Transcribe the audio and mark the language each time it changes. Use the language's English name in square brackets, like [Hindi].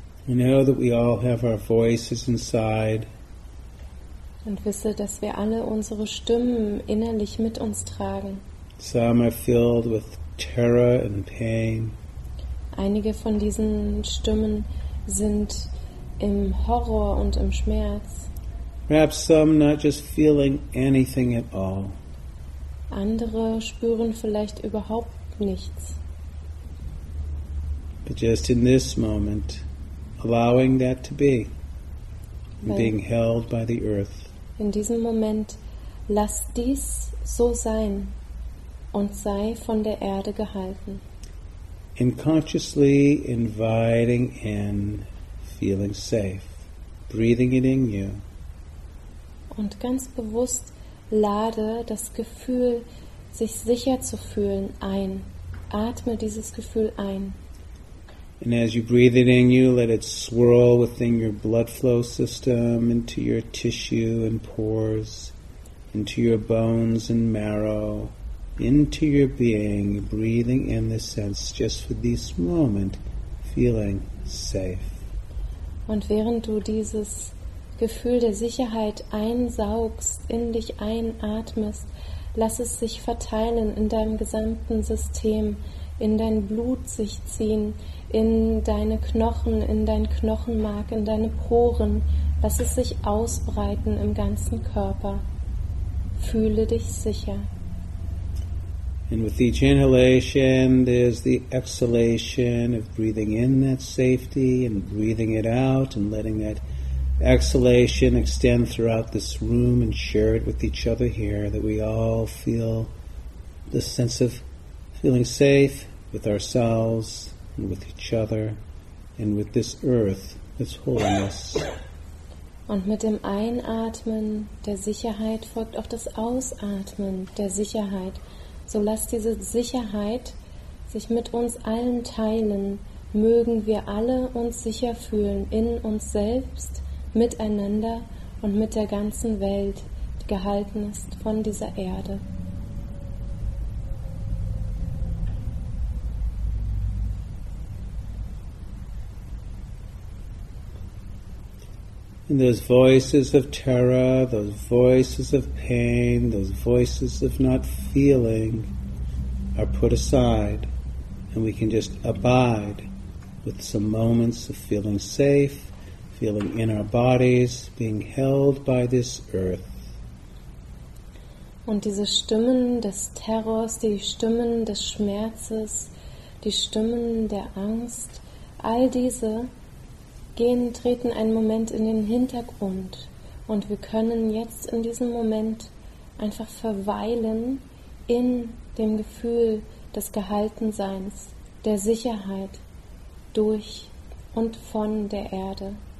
[English] We know that we all have our voices inside. [German] Und wisse, dass wir alle unsere Stimmen innerlich mit uns tragen. [English] Some are filled with terror and pain. [German] Einige von diesen Stimmen sind im Horror und im Schmerz. [English] Perhaps some not just feeling anything at all. [German] Andere spüren vielleicht überhaupt nichts. [English] But just in this moment, allowing that to be, and being held by the earth. [German] In diesem Moment, lass dies so sein und sei von der Erde gehalten. [English] In consciously inviting in, feeling safe, breathing it in you. [German] Und ganz bewusst lade das Gefühl, sich sicher zu fühlen, ein. Atme dieses Gefühl ein. [English] And as you breathe it in you, let it swirl within your blood flow system, into your tissue and pores, into your bones and marrow, into your being, breathing in the sense, just for this moment, feeling safe. [German] Und während du dieses Gefühl der Sicherheit einsaugst, in dich einatmest, lass es sich verteilen in deinem gesamten System, in dein Blut sich ziehen, in deine Knochen, in dein Knochenmark, in deine Poren. Lass es sich ausbreiten im ganzen Körper. Fühle dich sicher. [English] And with each inhalation, there's the exhalation of breathing in that safety and breathing it out and letting that exhalation extend throughout this room and share it with each other here, that we all feel the sense of feeling safe with ourselves and with each other and with this earth, this holiness. [German] Und mit dem Einatmen der Sicherheit folgt auch das Ausatmen der Sicherheit. So lass diese Sicherheit sich mit uns allen teilen. Mögen wir alle uns sicher fühlen in uns selbst, miteinander und mit der ganzen Welt, die gehalten ist von dieser Erde. [English] And those voices of terror, those voices of pain, those voices of not feeling are put aside, and we can just abide with some moments of feeling safe, feeling in our bodies, being held by this earth. [German] Und diese Stimmen des Terrors, die Stimmen des Schmerzes, die Stimmen der Angst, all diese gehen, treten einen Moment in den Hintergrund und wir können jetzt in diesem Moment einfach verweilen in dem Gefühl des Gehaltenseins, der Sicherheit durch und von der Erde.